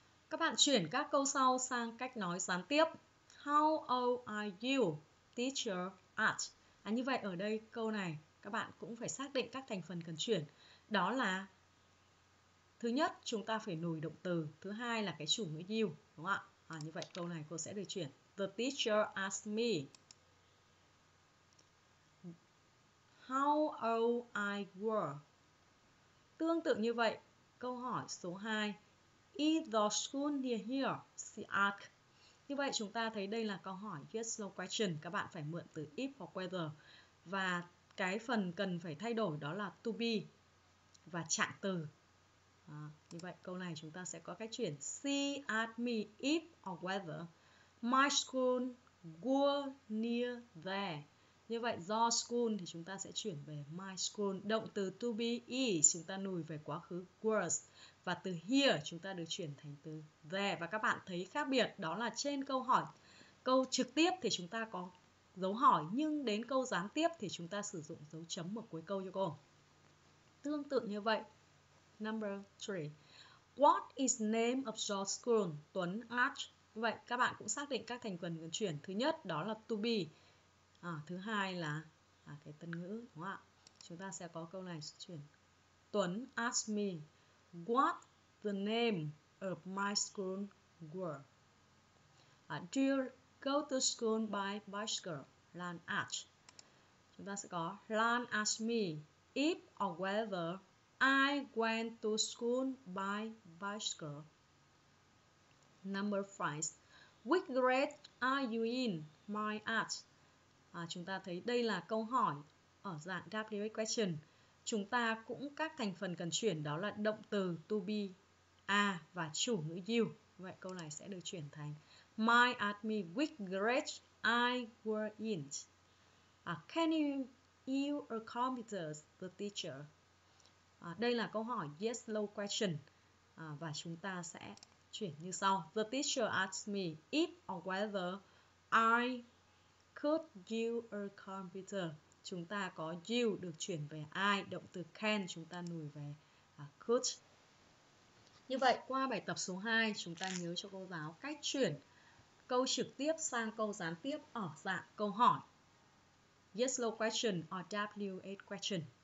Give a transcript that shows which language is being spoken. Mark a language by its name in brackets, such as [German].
[Vietnamese] Các bạn chuyển các câu sau sang cách nói gián tiếp. [English] How old are you, teacher? [Vietnamese] Như vậy ở đây câu này các bạn cũng phải xác định các thành phần cần chuyển. Đó là thứ nhất chúng ta phải nùi động từ, thứ hai là cái chủ ngữ you, đúng không ạ? Như vậy câu này cô sẽ được chuyển. [English] The teacher asked me how old I were. [Vietnamese] Tương tự như vậy Câu hỏi số 2. [English] Is the school near here? She asked. [Vietnamese] Như vậy chúng ta thấy đây là câu hỏi yes no question. Các bạn phải mượn từ if hoặc whether. Và cái phần cần phải thay đổi đó là to be và trạng từ. À, như vậy câu này chúng ta sẽ có cách chuyển. [English] She asked me if or whether my school were near there. [Vietnamese] Như vậy do school thì chúng ta sẽ chuyển về my school. Động từ to be is chúng ta lùi về quá khứ was. Và từ here chúng ta được chuyển thành từ there. Và các bạn thấy khác biệt đó là trên câu hỏi, câu trực tiếp thì chúng ta có dấu hỏi, nhưng đến câu gián tiếp thì chúng ta sử dụng dấu chấm ở cuối câu cho cô. Tương tự như vậy, [English] number 3. What is name of your school? Tuấn asked. [Vietnamese] Vậy các bạn cũng xác định các thành phần cần chuyển. Thứ nhất đó là to be. À, thứ hai là cái tân ngữ, đúng không ạ? Chúng ta sẽ có câu này chuyển. [English] Tuấn asked me what the name of my school were. Do you go to school by bicycle? Lan asked. [Vietnamese] Chúng ta sẽ có [English] Lan asked me if or whether I went to school by bicycle. Number 5. Which grade are you in? My asked. [Vietnamese] Chúng ta thấy đây là câu hỏi ở dạng WH question. Chúng ta cũng các thành phần cần chuyển đó là động từ to be, a và chủ ngữ you. Vậy câu này sẽ được chuyển thành [English] My asked me which grade I were in. Can you accommodate the teacher? [Vietnamese] Đây là câu hỏi yes no question. Và chúng ta sẽ chuyển như sau. [English] The teacher asked me if or whether I could you a computer. [Vietnamese] Chúng ta có you được chuyển về I, động từ can chúng ta lùi về could. Như vậy qua bài tập số 2, chúng ta nhớ cho cô giáo cách chuyển câu trực tiếp sang câu gián tiếp ở dạng câu hỏi yes no question or WH question.